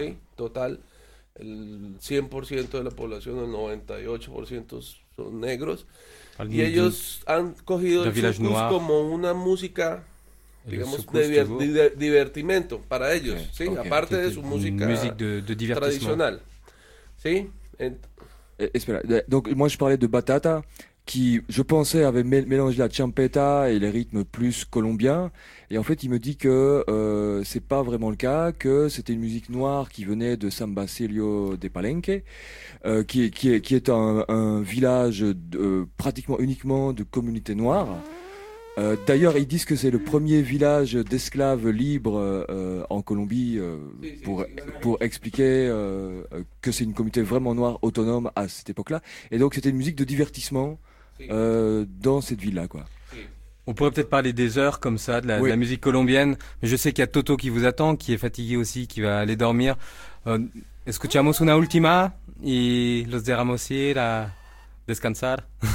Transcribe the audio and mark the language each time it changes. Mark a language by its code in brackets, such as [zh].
[es] Sí, total, el 100% de la población, el 98% son negros. Y ellos han cogido el sucus como una música, digamos, divertimento para ellos, okay, ¿sí? Okay. Aparte de su música de tradicional. ¿Sí? [fr] Espera, donc moi je parlais de batata qui, je pensais, avait mélangé la champeta et les rythmes plus colombiens. Et en fait, il me dit que c'est pas vraiment le cas, que c'était une musique noire qui venait de San Basilio de Palenque, qui est un village pratiquement uniquement de communautés noires. D'ailleurs, ils disent que c'est le premier village d'esclaves libres en Colombie pour expliquer que c'est une communauté vraiment noire autonome à cette époque-là. Et donc, c'était une musique de divertissement dans cette ville-là, quoi. On pourrait peut-être parler des heures comme ça de la musique colombienne, mais je sais qu'il y a Toto qui vous attend, qui est fatigué aussi, qui va aller dormir. [es] Escuchamos una última y los dejamos ir a descansar.